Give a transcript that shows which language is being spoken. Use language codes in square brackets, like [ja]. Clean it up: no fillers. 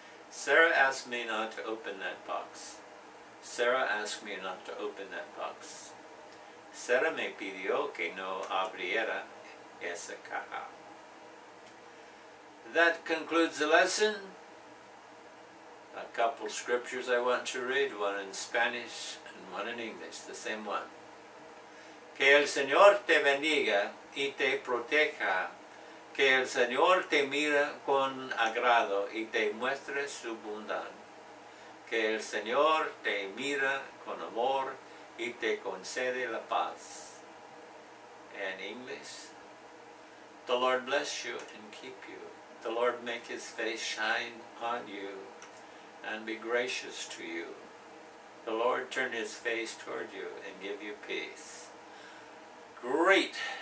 [en] Sarah asked me not to open that box. Sarah asked me not to open that box. [es] Sarah me pidió que no abriera esa caja. [en] That concludes the lesson. A couple scriptures I want to read, one in Spanish and one in English, the same one. [es] Que el Señor te bendiga y te proteja. Que el Señor te mira con agrado y te muestre su bondad. Que el Señor te mira con amor y te concede la paz. [en] In English, the Lord bless you and keep you. The Lord make his face shine on you and be gracious to you. The Lord turn his face toward you and give you peace. Great!